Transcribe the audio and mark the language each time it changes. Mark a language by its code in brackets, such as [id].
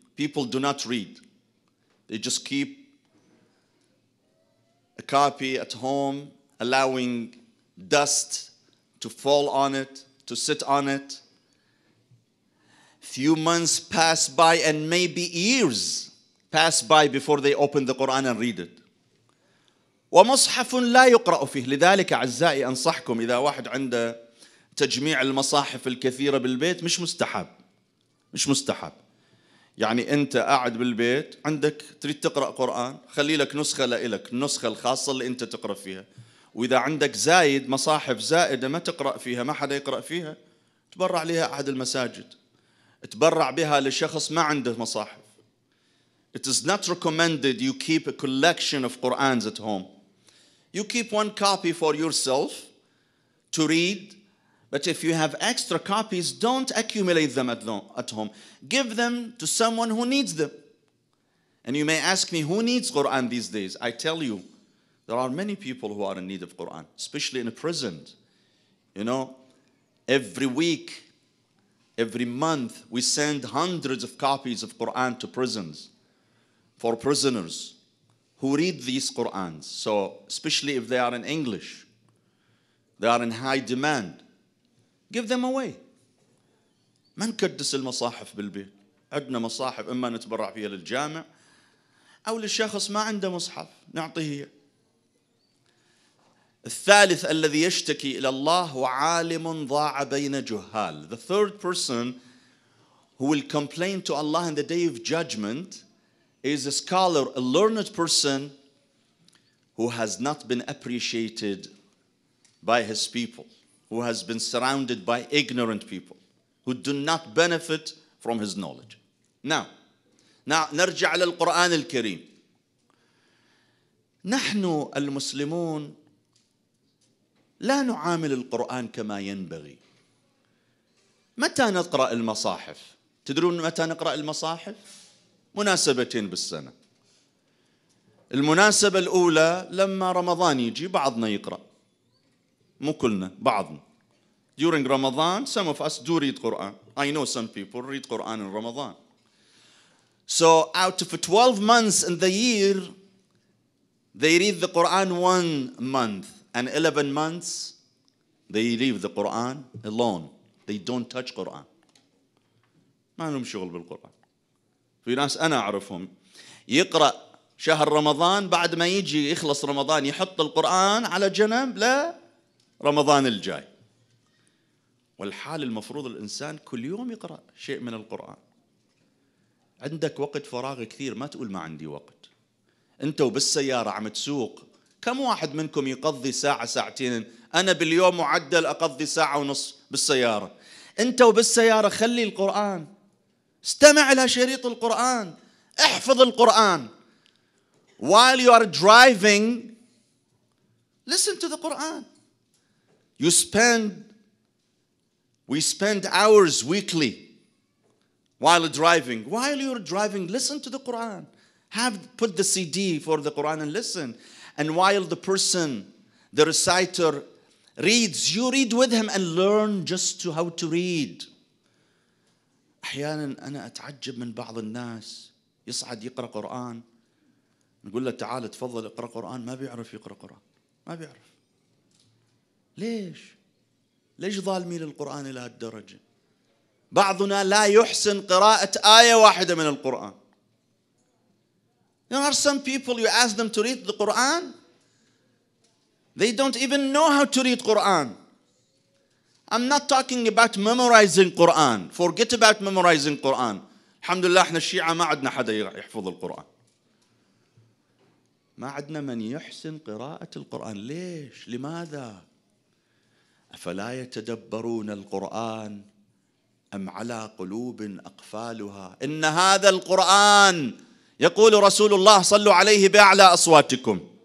[en] People do not read. They just keep a copy at home, allowing dust to fall on it, to sit on it. Few months pass by and maybe years pass by before they open the Qur'an and read it. [ar] وَمُصْحَفٌ لَا يُقْرَأُ فِيهِ. لِذَلِكَ أَعْزَّائِي أَنْصَحْكُمْ إِذَا وَاحَدْ عِنْدَ تجميع المصاحف الكثيرة بالبيت مش مستحب. مش مستحب. يعني أنت قاعد بالبيت عندك تريد تقرأ قرآن، خلي لك نسخة لإلك، النسخة الخاصة اللي أنت تقرأ فيها. وإذا عندك زايد مصاحف زائدة ما تقرأ فيها، ما حدا يقرأ فيها، تبرع لها أحد المساجد. تبرع بها لشخص ما عنده مصاحف. [en] It is not recommended you keep a collection of Qur'ans at home. You keep one copy for yourself to read. But if you have extra copies, don't accumulate them at home. Give them to someone who needs them. And you may ask me, who needs Qur'an these days? I tell you, there are many people who are in need of Qur'an, especially in a prison. You know, every week, every month, we send hundreds of copies of Qur'an to prisons for prisoners who read these Qur'ans. So, especially if they are in English, they are in high demand. Give them away. [ar] ما نكدس المصاحف بالبيت. عندنا مصاحف إما نتبرع فيها للجامع أو للشخص ما عنده مصحف نعطيه. الثالث الذي يشتكي إلى الله هو عالم ضاع بين جهال. [en] The third person who will complain to Allah in the day of judgment is a scholar, a learned person who has not been appreciated by his people. Who has been surrounded by ignorant people who do not benefit from his knowledge. Now, [ar] نرجع للقرآن الكريم. نحن المسلمون لا نعامل القرآن كما ينبغي. متى نقرأ المصاحف؟ تدرون متى نقرأ المصاحف؟ مناسبتين بالسنة. المناسبة الأولى لما رمضان يجي بعضنا يقرأ. مو كلنا، بعضنا. [en] During Ramadan, some of us do read Qur'an. I know some people read Qur'an in Ramadan. So out of 12 months in the year, they read the Qur'an 1 month. And 11 months, they leave the Qur'an alone. They don't touch Qur'an. [ar] ما لهم شغل بالقرآن. في ناس أنا أعرفهم. يقرأ شهر رمضان بعد ما يجي يخلص رمضان يحط القرآن على جنب لا رمضان الجاي. والحال المفروض الإنسان كل يوم يقرأ شيء من القرآن. عندك وقت فراغ كثير ما تقول ما عندي وقت. أنت وبالسيارة عم تسوق كم واحد منكم يقضي ساعة ساعتين؟ أنا باليوم معدل أقضي ساعة ونص بالسيارة. أنت وبالسيارة خلي القرآن. استمع إلى شريط القرآن. احفظ القرآن. [en] While you are driving, listen to the Quran. You spend We spend hours weekly while driving. While you're driving, listen to the Quran. Put the CD for the Quran and listen. And while the person, the reciter, reads, you read with him and learn just to how to read. [ar] أحيانا أنا أتعجب من بعض الناس يصعد يقرأ قرآن. نقول له تعال تفضل اقرأ قرآن. ما بيعرف يقرأ قرآن. ما بيعرف. ليش؟ ليش ظالمين القرآن إلى هالدرجة؟ بعضنا لا يحسن قراءة آية واحدة من القرآن. [en] There are some people you ask them to read the Quran. They don't even know how to read Quran. I'm not talking about memorizing Quran. Forget about memorizing Quran. [ar] الحمد لله إحنا الشيعة ما عدنا حدا يحفظ القرآن. ما عدنا من يحسن قراءة القرآن. ليش؟ لماذا؟ أفلا يتدبرون القرآن أم على قلوب أقفالها إن هذا القرآن يقول رسول الله صلى عليه بأعلى أصواتكم